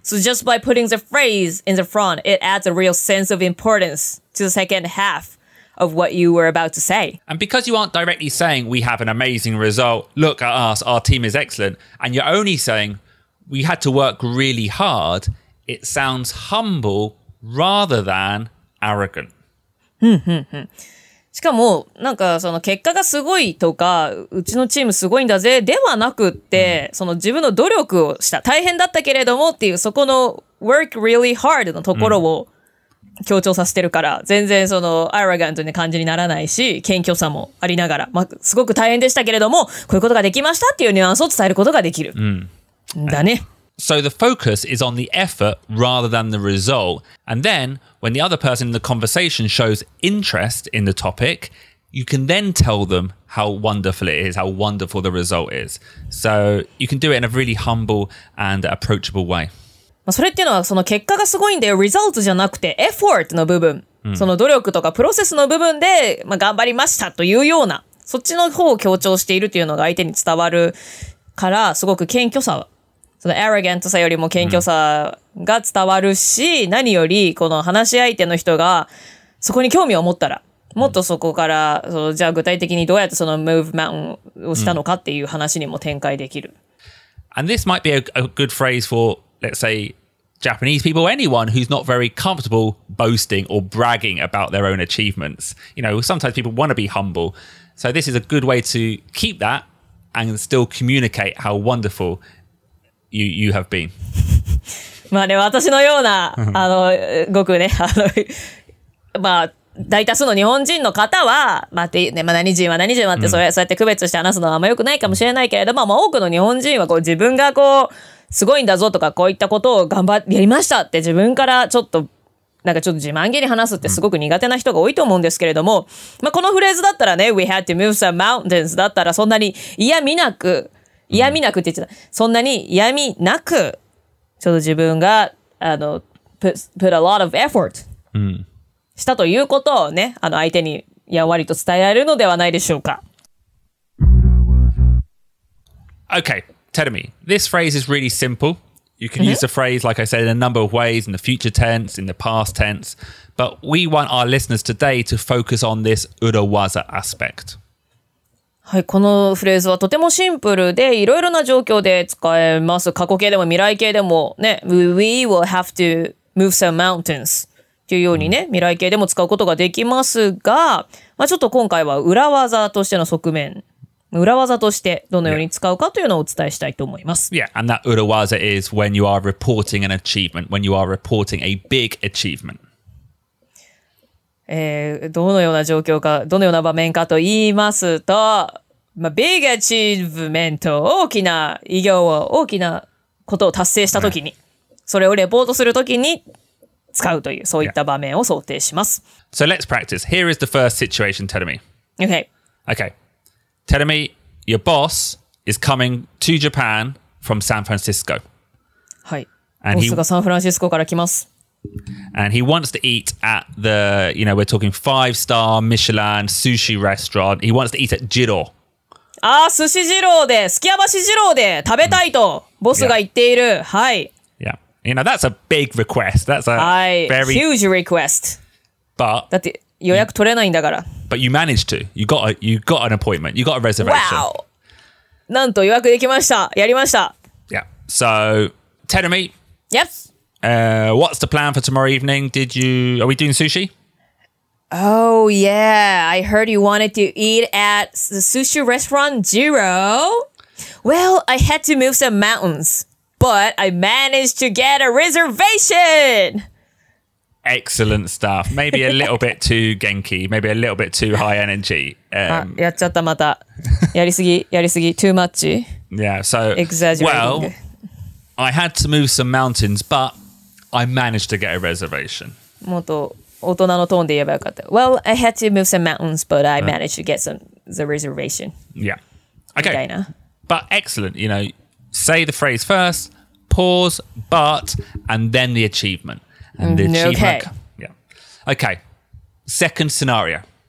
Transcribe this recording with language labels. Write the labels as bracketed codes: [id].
[en] So just by putting the phrase in the front, it adds a real sense of importance to the second half of what you were about to say. And because you aren't directly saying, we have an amazing result, look at us, our team is excellent, and you're only saying, we had to work really hard, it sounds humble rather than arrogant. [ja] しかも、なんかその結果がすごいとか、うちのチームすごいんだぜ、ではなくって、その自分の努力をした、大変だったけれどもっていう、そこの [en] work really hard [ja] のところを強調させてるから、全然そのアロガントな感じにならないし、謙虚さもありながら、まあ、すごく大変でしたけれども、こういうことができましたっていうニュアンスを伝えることができる。だね。 [en] So the focus is on the effort rather than the result. And then, when the other person in the conversation shows interest in the topic, you can then tell them how wonderful it is, how wonderful the result is. So you can do it in a really humble and approachable way. [ja] それっていうのはその結果がすごいんで、result じゃなくて effort の部分、その努力とかプロセスの部分で、まあ、頑張りましたというような、そっちの方を強調しているというのが相手に伝わるから、すごく謙虚さは。そのアロガントさよりも謙虚さが伝わるし、何よりこの話し相手の人がそこに興味を持ったら、もっとそこから、そのじゃあ具体的にどうやってそのムーブメントをしたのかっていう話にも展開できる。 [en] And this might be a good phrase for, let's say, Japanese people, anyone who's not very comfortable boasting or bragging about their own achievements. You know, sometimes people want to be humble. So this is a good way to keep that and still communicate how wonderful you have been. [ja] まあね、私のようなあのごくね、あのまあ大多数の日本人の方は、まあてね、まあ、何人は何人はってそうやって区別して話すのはあんま良くないかもしれないけれども、うん、まあ、多くの日本人はこう自分がこうすごいんだぞとかこういったことを頑張りましたって自分からちょっとなんかちょっと自慢げに話すってすごく苦手な人が多いと思うんですけれども、まあ、このフレーズだったらね、 [en] We had to move some mountains [ja] だったらそんなに嫌味なく、嫌味なくって言ってた、そんなに嫌味なく、ちょっと自分が、あの、 [en] put a lot of effort [ja] したということをね、あの、相手にやわりと伝えられるのではないでしょうか。 [en] Okay, tell me, this phrase is really simple. You can use the phrase, like I said, in a number of ways, in the future tense, in the past tense. But we want our listeners today to focus on this urawaza aspect. [ja] はい、このフレーズはとてもシンプルで、いろいろな状況で使えます。過去形でも未来形でもね、 [en] We will have to move some mountains [ja] というようにね、未来形でも使うことができますが、まあ、ちょっと今回は裏技としての側面。裏技としてどのように使うかというのをお伝えしたいと思います。 [en] Yeah, and that 裏技 is when you are reporting an achievement, when you are reporting a big achievement. [ja] どのような状況か、どのような場面かと言いますと、まあ、big achievement、大きな偉業を、大きなことを達成したときに、それをレポートするときに使うという、そういった場面を想定します。 [en] Yeah. So let's practice. Here is the first situation, tell me. Okay. Okay. Tell me, your boss is coming to Japan from San Francisco. [ja] はい。 [en] And he, [ja] ボスがサンフランシスコから来ます。 [en] And he wants to eat at the, you know, we're talking five-star Michelin sushi restaurant. He wants to eat at Jiro. [ja] ああ、寿司ジローで、すきやま寿司ローで食べたいと、ボスが言っている。はい。 [en] Yeah. You know, that's a big request. That's a very... huge request. But... [ja] だって予約取れないんだから。 [en] But you managed to. You got an appointment. You got a reservation. Wow! [ja] なんと予約できました。やりました。 [en] Yeah. So, tell me. Yes. What's the plan for tomorrow evening? Are we doing sushi? Oh, yeah. I heard you wanted to eat at the sushi restaurant Jiro. Well, I had to move some mountains. But I managed to get a reservation! Excellent stuff. Maybe a little bit too genki. Maybe a little bit too high energy. [ja] やっちゃったまた。やりすぎ、やりすぎ。 [en] Too much. Yeah, so... Exaggerating. Well, I had to move some mountains, but I managed to get a reservation. [ja] もっと大人のトーンで言えばよかった。 [en] Well, I had to move some mountains, but I managed to get the reservation. Yeah. Okay. But excellent. You know, say the phrase first, pause, but, and then the achievement. And the achievement. Okay. Yeah. Okay. Second scenario.